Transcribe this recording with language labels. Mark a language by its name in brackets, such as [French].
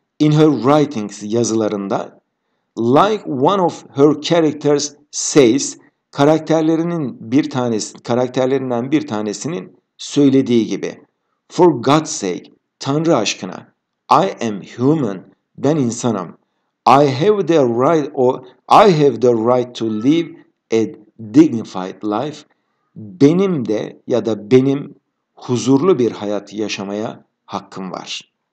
[English] In her writings, [Turkish] yazılarında. [English] Like one of her characters says, [Turkish] karakterlerinden bir tanesinin söylediği gibi. [English] For God's sake, [Turkish] Tanrı aşkına, [English] I am human, [Turkish] Ben insanım. [English] I have the right or I have the right to live a dignified life. [Turkish] Benim de ya da benim huzurlu bir hayat yaşamaya hakkım var.